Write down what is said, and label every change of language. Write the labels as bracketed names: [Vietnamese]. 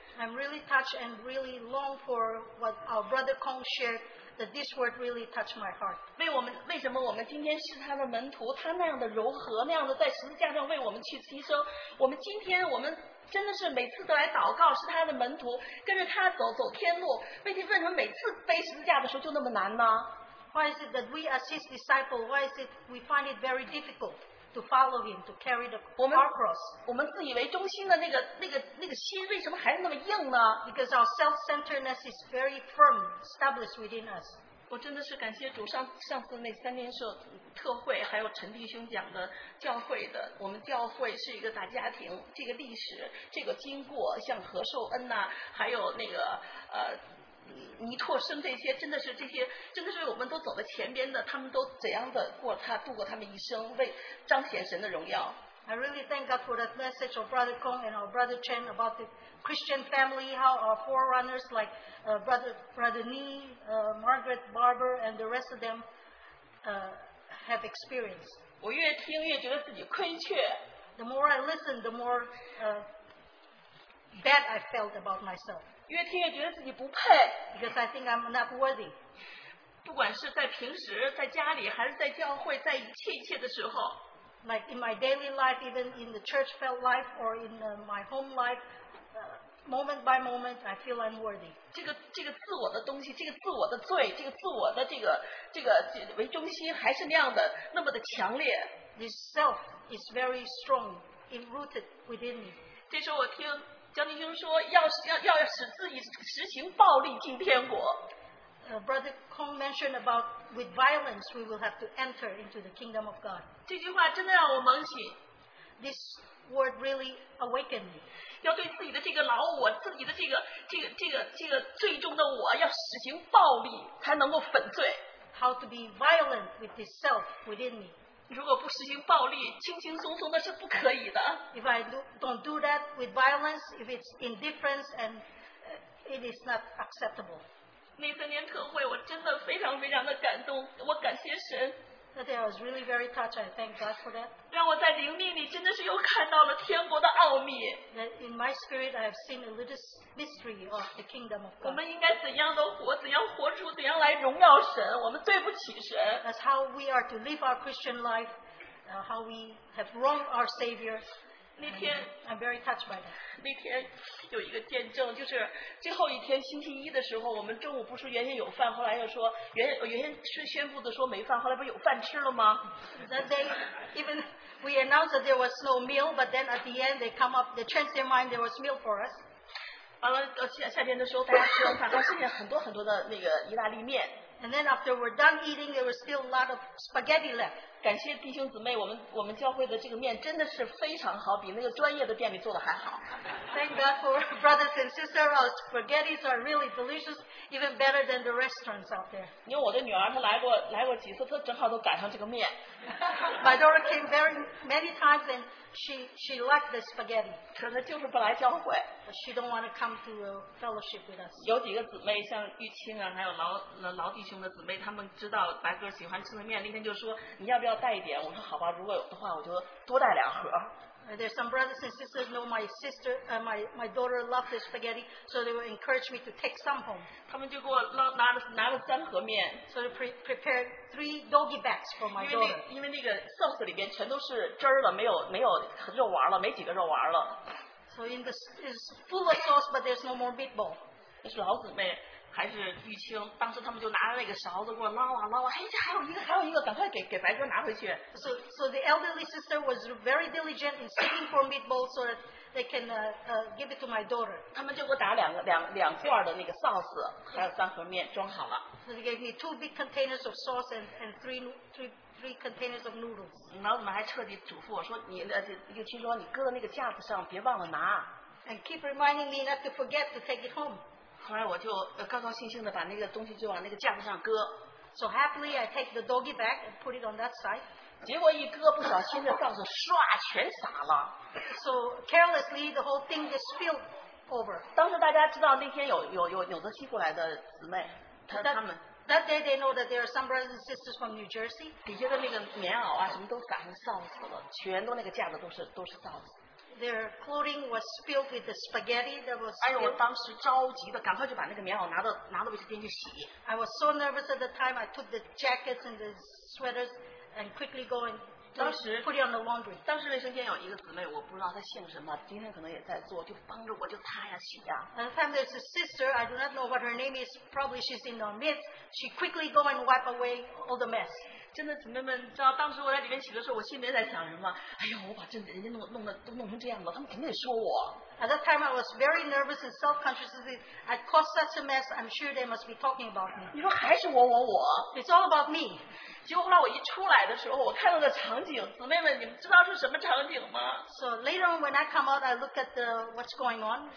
[English] I'm really touched and really long for what our brother Kong shared that this word really touched my heart. [Chinese] 为什么我们今天是他的门徒？他那样的柔和， 那样的在十字架上为我们去牺牲。我们今天真的是每次都来祷告， 是他的门徒， 跟着他走， 走天路。为什么每次背十字架的时候就那么难呢？ [English] Why is it that we as his disciples, why is it we find it very difficult to follow him, to carry the cross? [Chinese] 我们自以为中心的那个心为什么还那么硬呢？ [English] Because our self-centeredness is very firm, established within us. [Chinese] 我真的是感谢主上次那三天社特会， 还有陈弟兄讲的教会的， 我们教会是一个大家庭， 这个历史， 这个经过， 像何寿恩啊， 还有那个， 尼拓生这些真的是为我们都走在前边的，他们都怎样的过他度过他们一生，为彰显神的荣耀。 [English] I really thank God for that message of Brother Kong and our Brother Chen about the Christian family, how our forerunners like Brother Ni, Margaret, Barber, and the rest of them have experienced. [Chinese] 我越听越觉得自己亏缺。 [English] The more I listen, the more bad I felt about myself. [Chinese] 越听越觉得自己不配， [English] because I think I'm not worthy. [Chinese] 不管是在平时， 在家里， 还是在教会， 在一切的时候， [English] like in my daily life, even in the church felt life or in my home life, moment by moment, I feel unworthy. [Chinese] 这个自我的东西， 这个自我的罪， 这个自我的这个为中心， 还是那样的， 那么的强烈。 [English] This self is very strong, rooted within me. [Chinese] 这时候我听 将军兄说要使自己实行暴力进天国。 [English] Brother Kong mentioned about with violence we will have to enter into the kingdom of God. [Chinese] 这句话真的让我猛醒。 [English] This word really awakened me. [Chinese] 要对自己的这个老我， 自己的这个最终的我， 要实行暴力才能够粉碎。 [English] How to be violent with this self within me. [Chinese] 如果不实行暴力， 轻轻松松的是不可以的。 [English] If I don't do that with violence, if it's indifference, and it is not acceptable. [Chinese] 那三年特会， 我真的非常非常的感动， 我感谢神。 [English] That day I was really very touched, I thank God for that. [Chinese] 让我在灵命里， 真的是又看到了天国的奥秘。 [English] That in my spirit I have seen a little mystery of the kingdom of God. [Chinese] 我们应该怎样的活， 怎样活出， 怎样来荣耀神， 我们对不起神。 [English] That's how we are to live our Christian life, how we have wronged our Savior. [Chinese] 那天， [English] I'm very touched by that. [Chinese] 那天有一个见证， 就是最后一天星期一的时候， 我们中午不是原先有饭， 后来又说， 原先是宣布的说没饭， 后来不是有饭吃了吗？ [English] That day, even we announced that there was no meal, but then at the end, they come up, they changed their mind, there was meal for us. [Chinese] 完了夏天的时候大家吃完饭， 还剩下很多很多的那个意大利面。 [English] And then after we're done eating, there was still a lot of spaghetti left. [Chinese] 感谢弟兄姊妹， 我们教会的这个面真的是非常好， 比那个专业的店里做的还好。 [English] Thank God for brothers and sisters, our spaghettis are really delicious, even better than the restaurants out there. [Chinese] 因为我的女儿她来过几次， 她正好都赶上这个面。 [English] My daughter came very many times and she liked the spaghetti. [Chinese] 可是她就是不来教会。 [English] But she don't want to come to a fellowship with us. [Chinese] 有几个姊妹， 像玉清啊， 还有劳弟兄的姊妹， 他们知道白哥喜欢吃的面， 那天就说， 你要不要带一点？我说好吧， 如果有的话， 我就多带两盒。 [English] There's some brothers and sisters know my sister, my daughter loves the spaghetti, so they will encourage me to take some home. [Chinese] 他们就给我拿了三盒面。 [English] So they prepared three doggy bags for my daughter. [Chinese] 因为那个sauce里边全都是汁了， 没有肉丸了， 没几个肉丸了。 [English] So in the, it's full of sauce, but there's no more meatball. [Chinese] 那是老姊妹。还是玉清， 当时他们就拿着那个勺子给我捞啊捞啊， 哎，这还有一个， 赶快给白哥拿回去。 [English] So the elderly sister was very diligent in seeking for meatballs so that they can give it to my daughter. [Chinese] 他们就给我打两罐的那个sauce， 还有三盒面装好了。 [English] So they gave me two big containers of sauce and three containers of noodles. [Chinese] 然后我们还彻底嘱咐我说， 玉清说你搁在那个架子上， 别忘了拿。 [English] And keep reminding me not to forget to take it home. [Chinese] 后来我就高高兴兴地把那个东西就往那个架子上搁。 [English] So happily I take the doggy bag and put it on that side. [Chinese] 结果一搁不小心的罩子唰全洒了。 [English] So carelessly the whole thing just spilled over. [Chinese] 当时大家知道那天有纽泽西过来的姊妹， [English] That day they know that there are some brothers and sisters from New Jersey. [Chinese] 底下的那个棉袄啊什么都赶上臊子了，全都那个架子都是臊子。 [English] their clothing was filled with the spaghetti that was spilled. [Chinese] 哎呦，我当时着急的，赶快就把那个棉袄拿到卫生间去洗。 [English] I was so nervous at the time. I took the jackets and the sweaters and quickly go and put it on the laundry. [Chinese] 当时卫生间有一个姊妹，我不知道她姓什么，今天可能也在做，就帮着我就擦呀洗呀。 [English] At the time, there's a sister. I do not know what her name is. Probably she's in our midst. She quickly go and wipe away all the mess. [Chinese] 真的，姊妹们，知道当时我在里面洗的时候，我心里面在想什么？哎呀，我把这人家弄得都弄成这样了，他们肯定得说我。 [English] At that time, I was very nervous and self-conscious. I caused such a mess. I'm sure they must be talking about me. [Chinese] 你说还是我。 [English] It's all about me. [Chinese] 结果后来我一出来的时候，我看到的场景，姊妹们，你们知道是什么场景吗？ [English] So later on, when I come out, I look at the what's going on.